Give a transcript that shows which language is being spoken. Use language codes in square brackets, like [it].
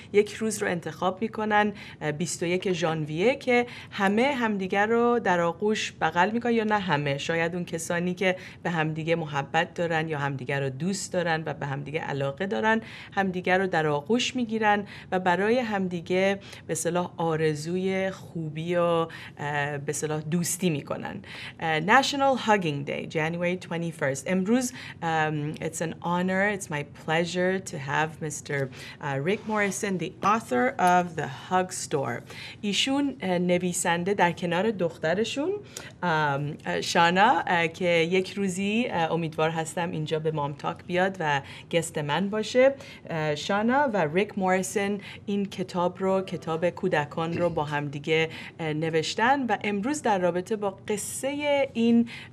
[fa] یک روز رو انتخاب میکنن 21 ژانویه که همه همدیگر رو در آغوش بغل میکنن، یا نه همه، شاید اون کسانی که به همدیگه محبت دارن یا همدیگر رو دوست دارن و به همدیگه علاقه دارن همدیگر رو در آغوش میگیرن و برای همدیگه به صلاح آرزوی خوبی و به صلاح دوستی میکنن. National Hugging Day January 21st. امروز [en] it's an honor, it's my pleasure to have Mr. Rick Morrison, the author of The Hug Store. [fa] ایشون نویسنده در کنار دخترشون شانا که یک روزی امیدوار هستم اینجا به مام تاک بیاد و گست من باشه. شانا و ریک موریسن این کتاب رو کتاب کودکان رو با هم دیگه نوشتن و امروز در رابطه با قصه این